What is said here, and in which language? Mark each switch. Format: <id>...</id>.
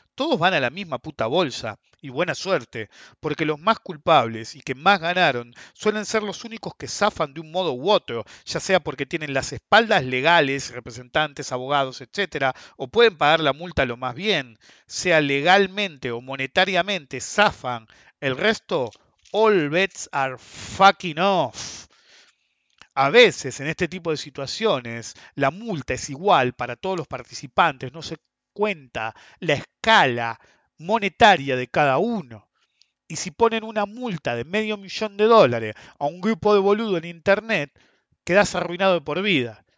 <es>Todos van a la misma puta bolsa y buena suerte, porque los más culpables y que más ganaron suelen ser los únicos que zafan de un modo u otro, ya sea porque tienen las espaldas legales, representantes, abogados, etcétera, o pueden pagar la multa lo más bien, sea legalmente o monetariamente, zafan. El resto,</es> <en>all bets are fucking off.</en> <es>A veces, en este tipo de situaciones, la multa es igual para todos los participantes, no se cuenta la escala monetaria de cada uno. Y si ponen una multa de medio millón de dólares a un grupo de boludo en internet, quedás arruinado de por vida.</es>